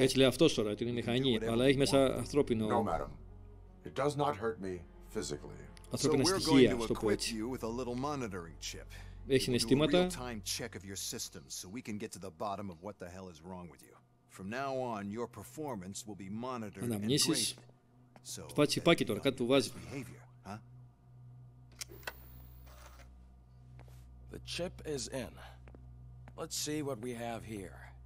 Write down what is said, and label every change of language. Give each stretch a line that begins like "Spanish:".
Greek: Έτσι λέει αυτός τώρα, την είναι μηχανή, αλλά έχει μέσα ανθρώπινο.
English: No, madam. It does not hurt me physically.
Greek: Ανθρώπινα στοιχεία, ας το πω έτσι.
English: You with a little monitoring chip.
Greek: Έχει συναισθήματα.
English: Time check of your system so we can get to the bottom of what the hell is wrong with you. From now on, your performance will be monitored and graded.
Greek: Του πάει τσιπάκι τώρα, κάτι του βάζει.
English: The chip is in. Let's see what we have here.